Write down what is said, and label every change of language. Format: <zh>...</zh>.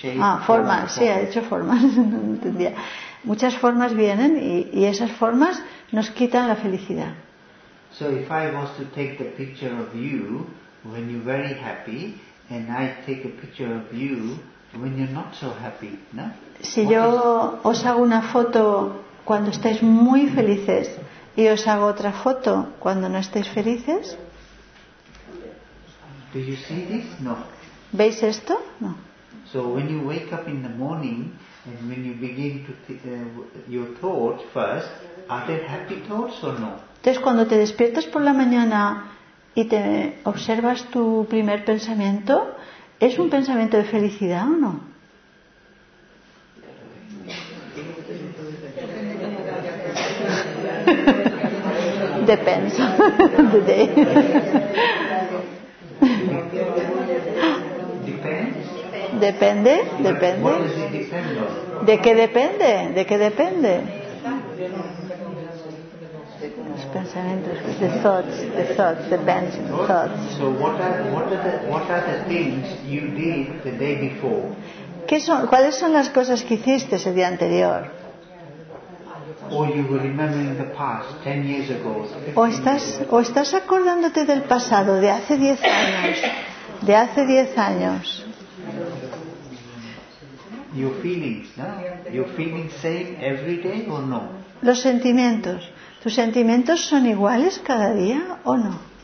<es>Ah, formas, sí, ha dicho formas. No entendía. Muchas formas vienen y esas formas nos quitan la felicidad.</es> <en>So if I was to take the picture of you when you're very happy, and I take a picture of you when you're not so happy, no?</en> <es>Si yo os hago una foto cuando estáis muy felices y os hago otra foto cuando no estáis felices.</es> <en>Do you see this? No.</en> <es>¿Veis esto? No.</es> <en>So when you wake up in the morning and when you begin to your thoughts first, are there happy thoughts or no?</en> <es>Entonces cuando te despiertas por la mañana y te observas tu primer pensamiento, ¿es un pensamiento de felicidad o no?</es> <en>Depends on the day.</en> <es>Depende, depende. ¿De qué depende? ¿De qué depende? Los pensamientos,</es> <en>the thoughts, the bends in thoughts. So what are the things you did the day before?</en> <es>¿Qué son? ¿Cuáles son las cosas que hiciste el día anterior?</es> <en>Or you were remembering the past 10 years ago.</en> <es>¿O estás acordándote del pasado de hace 10 años? De hace 10 años.</es> <en>Your feelings, no? Your feelings same every day or no?</en> <es>Los sentimientos. ¿Tus sentimientos son iguales cada día o no?</es>